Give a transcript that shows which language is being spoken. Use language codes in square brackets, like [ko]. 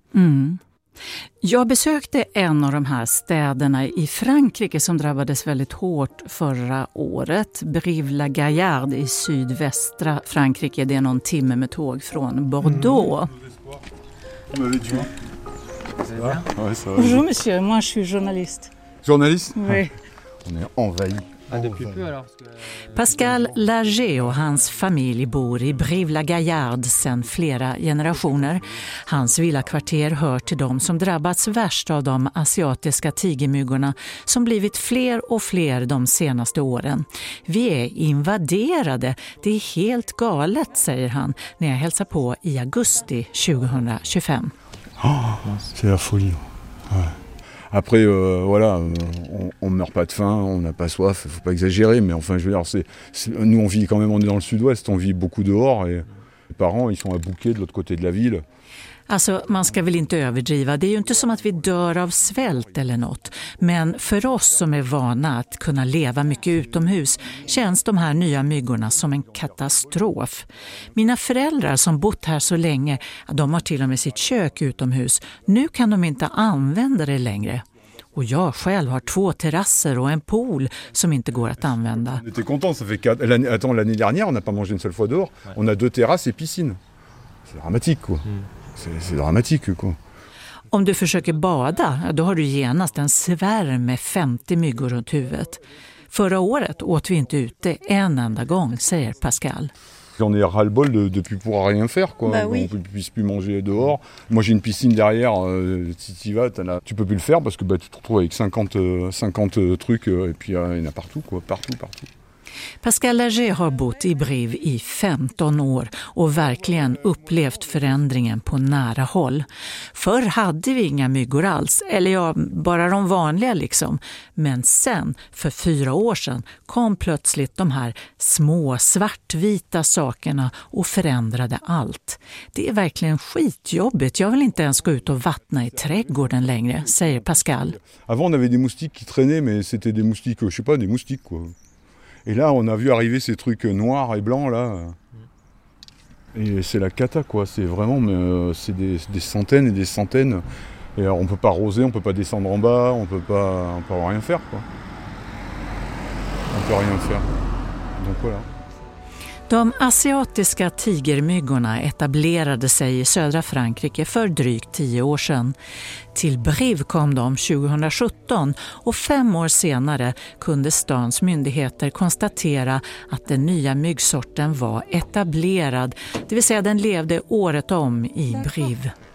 [sv] Mm. Jag besökte en av de här städerna i Frankrike som drabbades väldigt hårt förra året. Brive-la-Gaillarde i sydvästra Frankrike. Det är någon timme med tåg från Bordeaux. Mm. Ja. Ja. [fr] Bonjour monsieur, moi je suis journaliste. Journaliste? Oui. On est envahi. [sv] Pascal Lagé och hans familj bor i Brive-la-Gaillarde sedan flera generationer. Hans villakvarter hör till de som drabbats värst av de asiatiska tigermyggorna som blivit fler och fler de senaste åren. Vi är invaderade, det är helt galet, säger han när jag hälsar på i augusti 2025. Ja, det är folie. [fr] Après voilà, on meurt pas de faim, on n'a pas soif, faut pas exagérer, mais enfin je veux dire c'est nous on vit quand même, on est dans le sud-ouest, on vit beaucoup dehors et les parents ils sont à Bouquet de l'autre côté de la ville. [sv] Alltså, man ska väl inte överdriva. Det är ju inte som att vi dör av svält eller något. Men för oss som är vana att kunna leva mycket utomhus känns de här nya myggorna som en katastrof. Mina föräldrar som bott här så länge, de har till och med sitt kök utomhus. Nu kan de inte använda det längre. Och jag själv har två terrasser och en pool som inte går att använda. Vi var [fr] content, ça fait 4 l'année attends l'année dernière on a pas mangé une seule fois dehors. On a deux terrasses et piscine. C'est dramatique quoi. C'est dramatique quoi. [sv] Om du försöker bada, då har du genast en svärm med 50 myggor runt huvudet. Förra året åt vi inte ute en enda gång, säger Pascal. [fr] On est ras-le-bol de plus pouvoir rien faire quoi. Bah oui. On puisse plus manger dehors. Moi j'ai une piscine derrière, si tu y vas, t'en as, tu peux plus le faire parce que bah tu te retrouves avec 50 trucs et puis il y en a partout quoi, partout. [sv] Pascal Lager har bott i Brive i 15 år och verkligen upplevt förändringen på nära håll. Förr hade vi inga myggor alls, eller ja, bara de vanliga liksom. Men sen, för 4 år sedan, kom plötsligt de här små svartvita sakerna och förändrade allt. Det är verkligen skitjobbigt. Jag vill inte ens gå ut och vattna i trädgården längre, säger Pascal. [fr] Avant, on avait des moustiques qui traînaient, mais c'était des moustiques, je sais pas, des moustiques quoi. Et là, on a vu arriver ces trucs noirs et blancs là. Et c'est la cata quoi, c'est vraiment mais c'est des centaines et des centaines. Et alors on peut pas arroser, on peut pas descendre en bas, on peut rien faire quoi. On peut rien faire. Donc voilà. [sv] De asiatiska tigermyggorna etablerade sig i södra Frankrike för drygt 10 år sedan. Till Brive kom de 2017 och 5 år senare kunde stans myndigheter konstatera att den nya myggsorten var etablerad, det vill säga den levde året om i Brive.